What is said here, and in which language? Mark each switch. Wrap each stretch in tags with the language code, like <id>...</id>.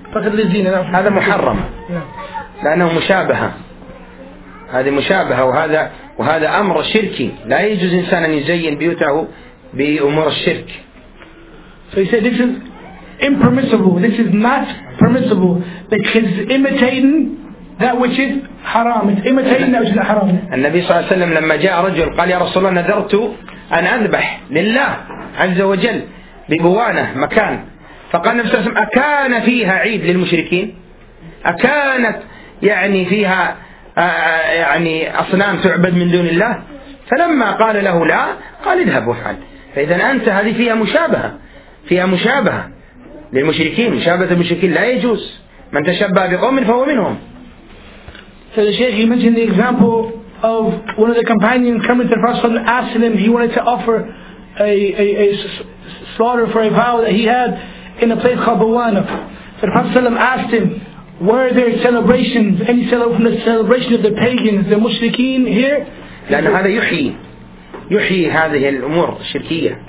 <ar>هذا محرم لأنه مشابهة، هذه مشابهة، وهذا أمر شركي، لا يجوز إنسان أن يزين بيوته بأمور الشرك.</ar> <en>So he said this is impermissible, this is not permissible, because imitating that which is haram, it's imitating that which is haram.</en> <ar>النبي صلى الله عليه وسلم لما جاء رجل قال يا رسول الله نذرت أن أذبح لله عز وجل ببوانة مكان، فقال النبي صلى الله عليه وسلم أكان فيها عيد للمشركين؟ أكانت يعني فيها يعني أصنام تعبد من دون الله؟ فلما قال له لا قال اذهب وفعل. فإذا أنت هذه فيها مشابهة، فيها مشابهة للمشركين، مشابهة المشركين لا يجوز، من تشبه بقوم فهو منهم.</ar> <en>So the Sheikh, he mentioned the example of one of the companions coming to the Prophet and asking him, he wanted to offer a slaughter for a vow that he had in a place called Buwana. So the Prophet asked him, were there celebrations, any celebration of the pagans, the mushrikeen here?</en> <ar>لأن هذا يحيي هذه الأمور الشركية.</ar>